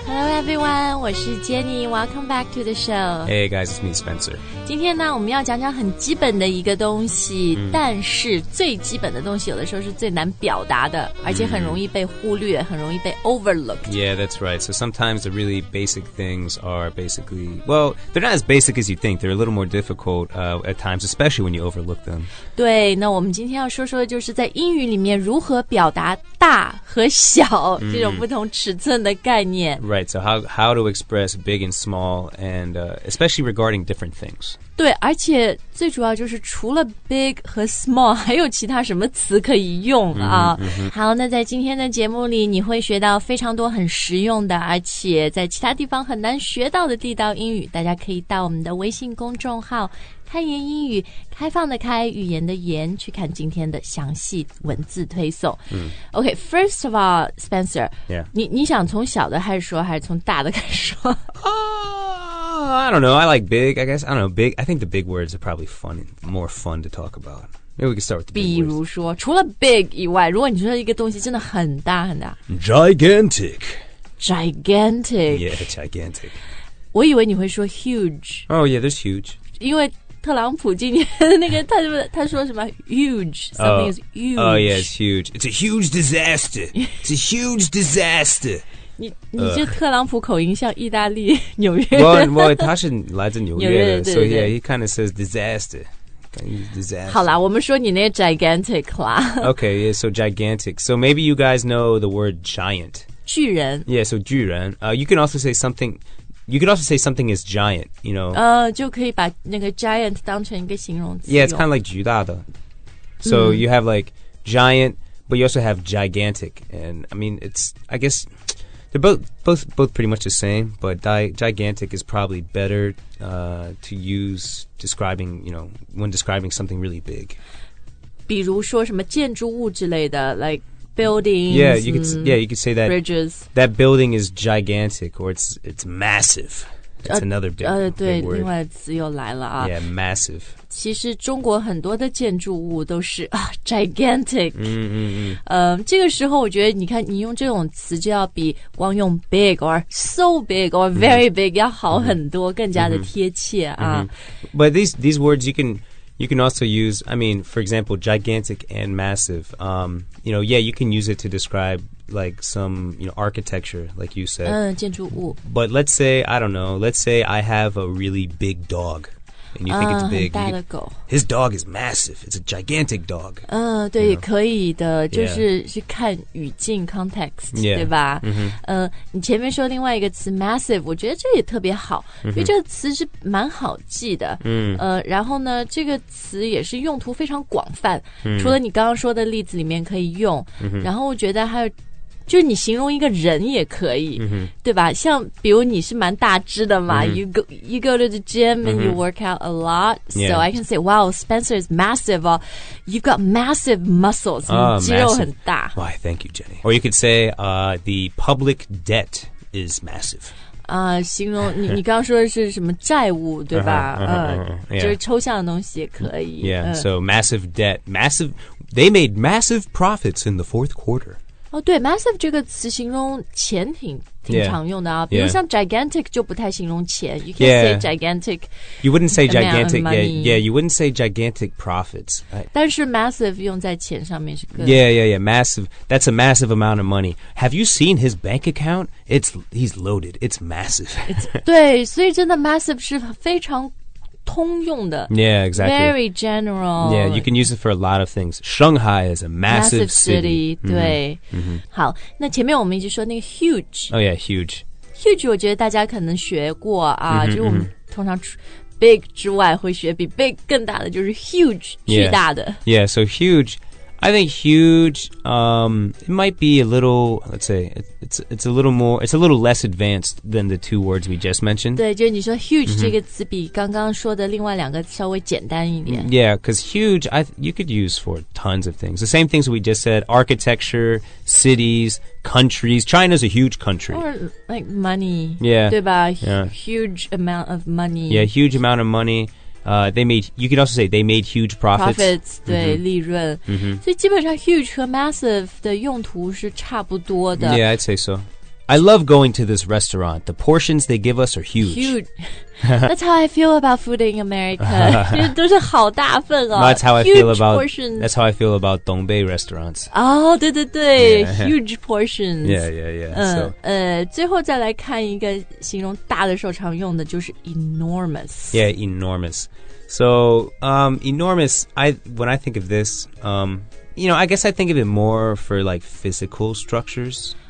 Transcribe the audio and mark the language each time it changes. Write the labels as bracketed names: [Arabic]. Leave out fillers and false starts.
[English] everyone, [Chinese] 我是 [English] Jenny. Welcome back to the show. Hey guys, it's me, Spencer. [Chinese] 今天呢，我们要讲讲很基本的一个东西，但是最基本的东西有的时候是最难表达的，而且很容易被忽略，很容易被 overlooked. [English] Yeah, that's right. So sometimes the really basic things are basically, well, they're not as basic as you think. They're a little more difficult, at times, especially when you overlook them. [Chinese] 对，那我们今天要说说就是在英语里面如何表达大和小这种不同尺寸的概念。 [English] Right, so how to express big and small, and especially regarding different things. [Chinese] 对，而且最主要就是除了 big 和 small, 还有其他什么词可以用啊。好，那在今天的节目里你会学到非常多很实用的，而且在其他地方很难学到的地道英语，大家可以到我们的微信公众号开言英语，开放的开，语言的言，去看今天的详细文字推送。 [English] OK, first of all, Spencer, yeah. [Chinese] 你想从小的开始说还是从大的开始说？ [English] I don't know, I like big, I guess, I don't know, big, I think the big words are probably fun, more fun to talk about. Maybe we can start with the big words. [Chinese] 比如说，除了 big 以外，如果你说一个东西真的很大很大。 [English] Gigantic. Gigantic. Yeah, gigantic. [Chinese] 我以为你会说 huge. [English] Oh yeah, there's huge. [Chinese] 因为特朗普今年那个他说什么 huge, [English] something is huge. Oh yeah, it's huge. It's a huge disaster. It's a huge disaster. [Chinese] 你这特朗普口音像意大利纽约的。Well, 他是来自纽约的，对对对。 [English] So yeah, he kind of says disaster. Disaster. [Chinese] 好啦，我们说你那 gigantic 啦。 [English] Okay, yeah, so gigantic. So maybe you guys know the word giant. [Chinese] 巨人。 [English] Yeah, so 巨人。 You can also say something... You could also say something is giant, you know. [Chinese] 就可以把那个 giant 当成一个形容词。 [English] Yeah, it's kind of like 巨大的。 So you have like giant, but you also have gigantic. And I mean, it's, I guess, they're both pretty much the same, but gigantic is probably better, to use describing, you know, when describing something really big. [Chinese] 比如说什么建筑物之类的 [English] like,Buildings, yeah, you could, yeah, you could say that. Bridges. That building is gigantic, or it's massive. That's another big, big word. [Chinese] 对，另外词又来了啊。 [English] Yeah, massive. [Chinese] 其实中国很多的建筑物都是啊 gigantic. 这个时候我觉得你看你用这种词就要比光用 [English] big or so big or very big [Chinese] 要好很多，更加的贴切啊。 [English] But these words you can also use, I mean, for example, gigantic and massive. You know, yeah, you can use it to describe, like, some, you know, architecture, like you said. [Chinese] 建筑物。 [English] But let's say, I don't know, let's say I have a really big dog. And you think it's big. [Chinese] 很大的狗。 [English] His dog is massive. It's a gigantic dog. [Chinese] 对， [English] you know? [Chinese] 可以的。就是 去看语境 context, [English] yeah. [Chinese] 对吧？你前面说另外一个词 massive, 我觉得这也特别好。因为这个词是蛮好记的。然后呢，这个词也是用途非常广泛。除了你刚刚说的例子里面可以用。然后我觉得还有就是你形容一个人也可以、对吧，像比如你是蛮大只的嘛、 [English] you go to the gym、and you work out a lot、so I can say wow, Spencer is massive、you've got massive muscles、 [Chinese] 肌肉很大、 [English] massive. Why, thank you Jenny. Or you could say、the public debt is massive、 [Chinese] 形容你刚刚说的是什么债务对吧、就是抽象的东西也可以、 [English] so massive debt, massive, they made massive profits in the fourth quarter [Chinese] 对 ，massive 这个词形容钱挺常用的啊。比如像 gigantic 就不太形容钱 ， [English] you can say gigantic. You wouldn't say gigantic, yeah. You wouldn't say gigantic profits. 但是 massive 用在钱上面是更 Yeah. Massive. That's a massive amount of money. Have you seen his bank account? He's loaded. It's massive. [Chinese] 对，所以真的 massive 是非常通用的。 [English] Yeah, exactly. Very general. Yeah, you can use it for a lot of things. Shanghai is a massive city. City, [Chinese] 对。好，那前面我们一直说那个 huge. [English] Oh yeah, huge. [Chinese] Huge, 我觉得大家可能学过啊，就我们通常 big 之外会学比 big 更大的就是 huge, 巨大的。 [English] Yeah, so huge, I think huge, it might be a little, let's say, it's a little more, it's a little less advanced than the two words we just mentioned. [Chinese] 对，就你说 huge 这个词比刚刚说的另外两个稍微简单一点。 [English] Yeah, because huge, you could use for tons of things. The same things we just said, architecture, cities, countries. China's a huge country. Or like money. Yeah. [Chinese] 对吧？ [English] Huge amount of money. Yeah, huge amount of money. You could also say they made huge profits. [Chinese] 对、利润、所以基本上 huge 和 massive 的用途是差不多的。 [English] Yeah, I'd say so. I love going to this restaurant. The portions they give us are huge. Huge. That's how I feel about food in America. [Chinese] 都是好大份哦。 [English] That's how I feel about portions. That's how I feel about Dongbei restaurants. [Chinese] 哦、oh, 对对对、yeah. [English] Huge portions. Yeah, yeah, yeah. [Chinese] 最后再来看一个形容大的时候常用的就是 enormous. [English] Yeah, enormous. So, enormous, when I think of this, you know, I guess I think of it more for like physical structures.